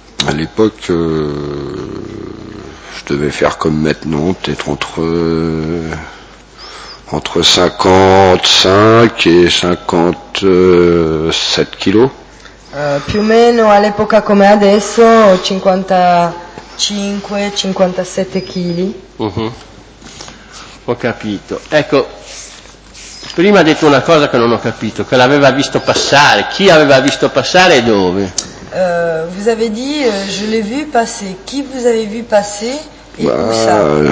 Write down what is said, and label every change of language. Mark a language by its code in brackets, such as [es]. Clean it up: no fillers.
[fr] À l'époque, je devais faire comme maintenant, peut-être entre 55 et 57 kilos. [it] Più o meno all'epoca come adesso, 55-57 kg. Uh-huh. Ho capito. Ecco, prima ha detto una cosa che non ho capito, che l'aveva visto passare. Chi aveva visto passare e dove? [fr] Vous avez dit, je l'ai vu passer. Qui vous avez vu passer et où ça?